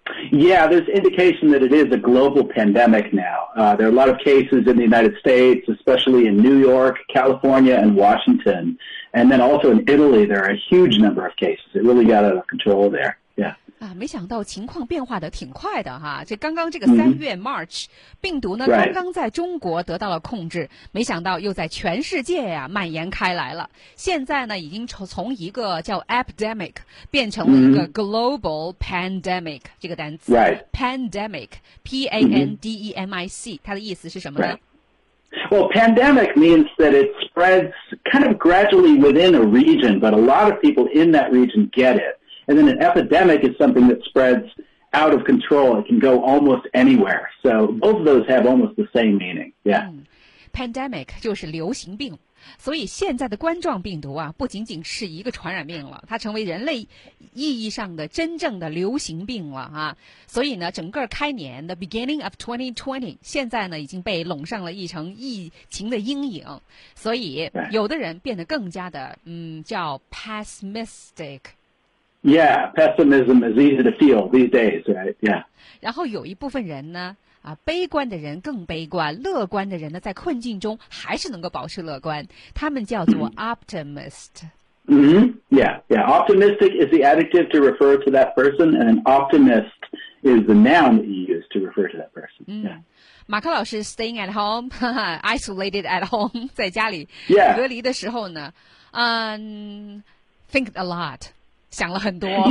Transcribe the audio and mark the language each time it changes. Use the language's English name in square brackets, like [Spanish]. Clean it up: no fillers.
[English] Yeah, there's indication that it is a global pandemic now. There are a lot of cases in the United States, especially in New York, California, and Washington. And then also in Italy, there are a huge number of cases. It really got out of control there. Yeah. [Chinese] 啊，没想到情况变化的挺快的哈。这刚刚这个三月 March 病毒呢，刚刚在中国得到了控制，没想到又在全世界呀蔓延开来了。现在呢，已经从一个叫 epidemic 变成了一个 global pandemic 这个单词。 [English] Right. [Chinese] Pandemic, P-A-N-D-E-M-I-C, 它的意思是什么呢？ [English] Well, pandemic means that it spreads kind of gradually within a region, but a lot of people in that region get it. And then an epidemic is something that spreads out of control. It can go almost anywhere. So both of those have almost the same meaning. Yeah. [Chinese] Pandemic 就是流行病。所以现在的冠状病毒啊，不仅仅是一个传染病了，它成为人类意义上的真正的流行病了啊。所以呢，整个开年 the beginning of 2020，现在呢已经被笼上了一层疫情的阴影。所以有的人变得更加的叫 pessimistic。 [English] Yeah, pessimism is easy to feel these days, right? Yeah. [Chinese] 然后有一部分人呢。啊，悲观的人更悲观，乐观的人呢，在困境中还是能够保持乐观。他们叫做 optimist。 [English] Yeah. Optimistic is the adjective to refer to that person, and an optimist is the noun that you use to refer to that person. Yeah. [Chinese] 马克老师 staying at home, isolated at home, 在家里隔离的时候呢， think a lot, 想了很多。